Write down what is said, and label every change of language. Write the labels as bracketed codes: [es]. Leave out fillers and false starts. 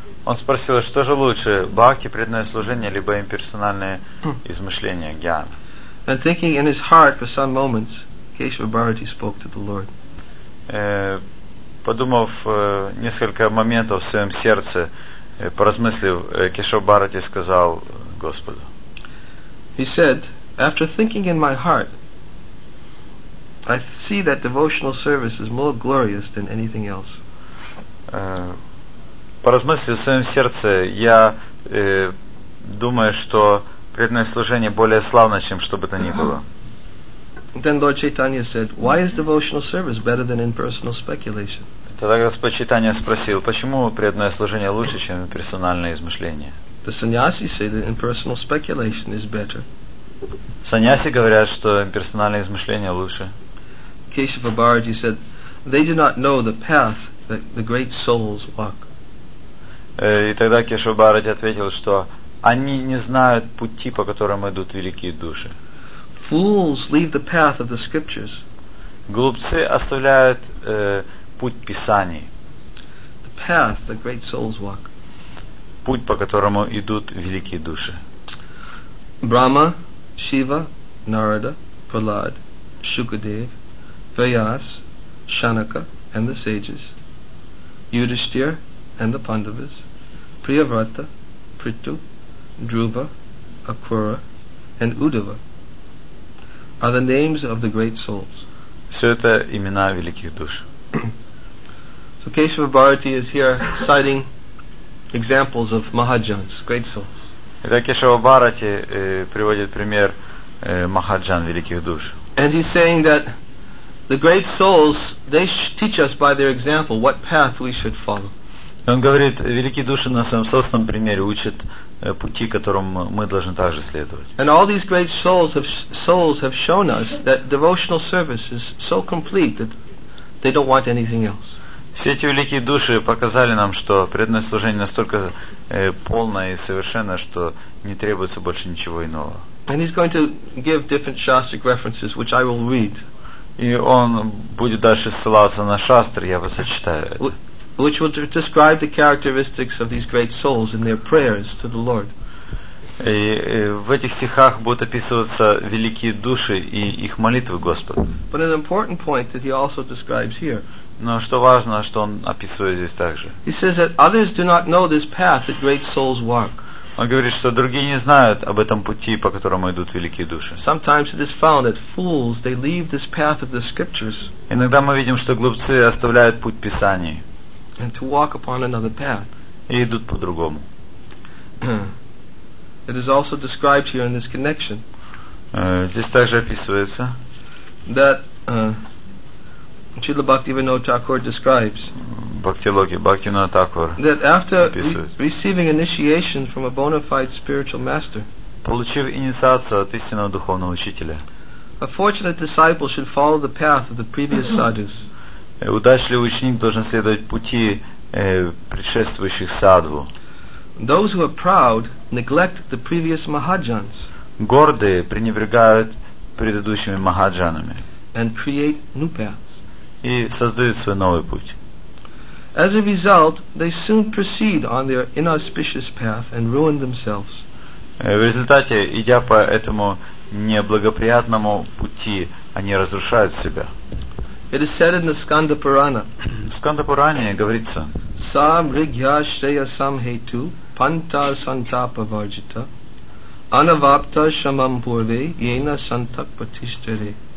[ru] Он спросил, что же лучше, бхакти, преданное служение, либо имперсональное измышление, гьян. [en] And thinking in his heart for some moments, Keshava Bharati spoke to the Lord. [ru] Подумав несколько моментов в своем сердце, поразмыслив, Кешава Бхарати сказал Господу. [en] He said, after thinking in my heart, I see that devotional service is more glorious than anything else. [ru] Поразмыслив в своем сердце, я думаю, что преданное служение более славно, чем что бы то ни было. [en] Then Lord Chaitanya said, why is devotional service better than impersonal speculation? [ru] Тогда Господь Чайтанья спросил, почему преданное служение лучше, чем персональное измышление? [en] The sannyasi say that impersonal speculation is better. [ru] Саньяси говорят, что персональное измышление лучше. [en] Keshava Bharati said, they do not know the path that the great souls walk. [ru] И тогда Кешава Бхарати ответил, что они не знают пути, по которым идут великие души. [en] Fools leave the path of the scriptures. [ru] Глупцы оставляют путь Писаний. [en] The path that great souls walk. [ru] Путь, по которому идут великие души. [en] Брахма, Шива, Нарада, Прахлад, Шукадев, Vyas, Shanaka, and the sages, Yudhishthir, and the Pandavas, Priyavrata, Prithu, Dhruva, Akura, and Uddhava are the names of the great souls. [ru] Все это имена великих душ. [en] So Keshava Bharati is here citing examples of Mahajans, great souls. [ru] Итак, Кешава Бхарати приводит пример Махаджан, великих душ. [en] And he's saying that the great souls, they teach us by their example what path we should follow. [ru] Он говорит, великие души на своем собственном примере учат пути, которым мы должны также следовать. [en] And all these great souls have shown us that devotional service is so complete that they don't want anything else. [ru] Все эти великие души показали нам, что преданное служение настолько полное и совершенное, что не требуется больше ничего иного. [en] And he's going to give different shastric references, which I will read. [ru] И он будет дальше ссылаться на шастры, я вас зачитаю. [en] Which will describe the characteristics of these great souls in their prayers to the Lord. [ru] И в этих стихах будут описываться великие души и их молитвы Господу. [en] But an important point that he also describes here. [ru] Но что важно, что он описывает здесь также. [en] He says that others do not know this path that great souls walk. [ru] Он говорит, что другие не знают об этом пути, по которому идут великие души. [en] Sometimes it is found that fools, they leave this path of the scriptures. [ru] Иногда мы видим, что глупцы оставляют путь Писаний. [en] And to walk upon another path. [ru] И идут по-другому. [en] It is also described here in this connection. [ru] Здесь также описывается. [en] That Śrīla Bhaktivinoda Thakur describes that after receiving initiation from a bona fide spiritual master, [ru] получив инициацию от истинного духовного учителя, [en] a fortunate disciple should follow the path of the previous sadhus. [ru] Удачливый ученик должен следовать пути предшествующих садху. [en] Those who are proud neglect the previous mahajans. [ru] Гордые пренебрегают предыдущими махаджанами. [en] And create new paths. [ru] И создают свой новый путь. [en] As a result, they soon proceed on their inauspicious path and ruin themselves. [ru] В результате, идя по этому неблагоприятному пути, они разрушают себя. [en] It is said in the Skanda Purana. [ru] В Сканда Пуране говорится: [sa] Сам ригья шрея сам хейту панта сантапа варджита анавапта шамам пурве йена сантак патиштере.